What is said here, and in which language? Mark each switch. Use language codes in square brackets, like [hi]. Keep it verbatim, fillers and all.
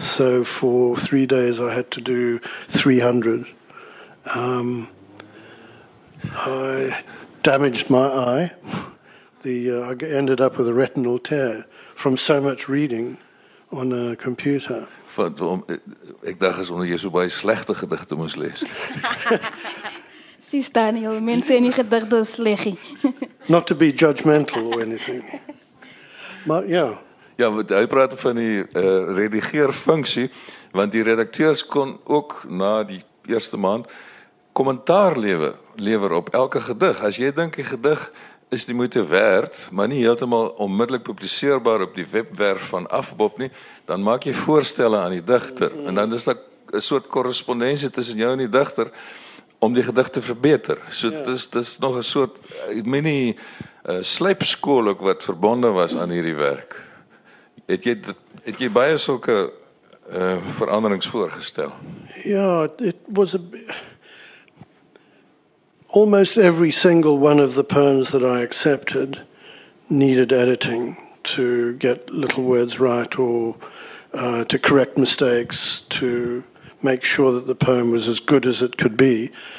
[en] So for three days, I had to do three hundred. Um, I damaged my eye. The uh, I ended up with a retinal tear from so much reading on a computer. [af] Ek dacht is omdat jy so baie slegte gedigte moes lees. Sies Daniel, mense in die gedigte is sleggie. [en] Not to be judgmental or anything. [af] Maar ja. Ja, hy praat van die uh, redigeerfunksie, want die redakteurs kon ook na die eerste maand kommentaar lewe, lewer op elke gedig. As jy dink die gedig is die moeite werd, maar nie heeltemal onmiddellik publiseerbaar op die webwerf van Afbob nie, dan maak jy voorstelle aan die digter. En dan is daar 'n soort korrespondensie tussen jou en die digter, om die gedig te verbeter. So dit is, dit is nog 'n soort mini uh, slypskool ook wat verbonde was aan hierdie werk. Het jy, het jy baie sulke uh, veranderings voorgestel? [en] Ja, it was a, almost every single one of the poems that I accepted needed editing to get little words right or uh, to correct mistakes, to make sure that the poem was as good as it could be.